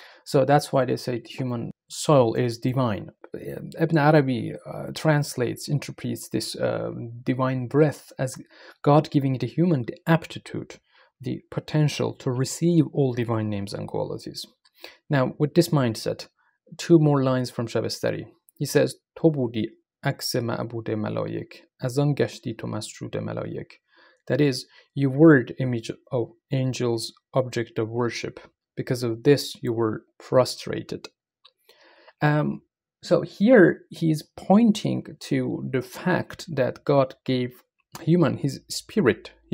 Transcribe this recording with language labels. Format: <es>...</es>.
<en>So that's why they say the human soul is divine. Ibn Arabi translates, interprets this divine breath as God giving the human the aptitude, the potential to receive all divine names and qualities. Now, with this mindset, two more lines from Shabistari. He says,</en> <fa>تَبُودِي عکس معبود ملایک از آن گشتی تو مسجود ملایک.</fa> <en>That is, you were the image of angels, object of worship. Because of this, you were prostrated. So here he is pointing to the fact that God gave human his spirit.</en>